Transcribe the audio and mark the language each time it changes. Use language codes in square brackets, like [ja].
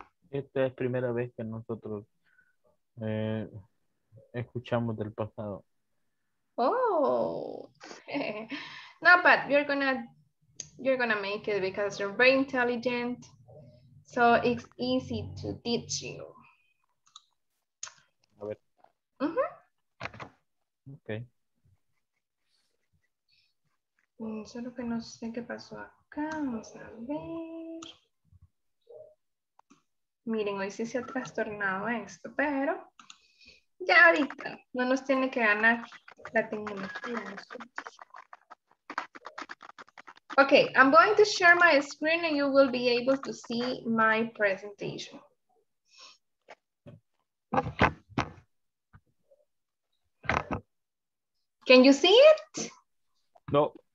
[es] Esta es primera vez que nosotros escuchamos del pasado. Oh. [en] No, but you're gonna make it because you're very intelligent. So it's easy to teach you. [es] A ver. Mm-hmm. Okay. Solo que no sé qué pasó acá. Vamos a ver. Miren, hoy sí se ha trastornado esto, pero ya ahorita no nos tiene que ganar la tecnología. [en] Okay, I'm going to share my screen and you will be able to see my presentation. Can you see it? No.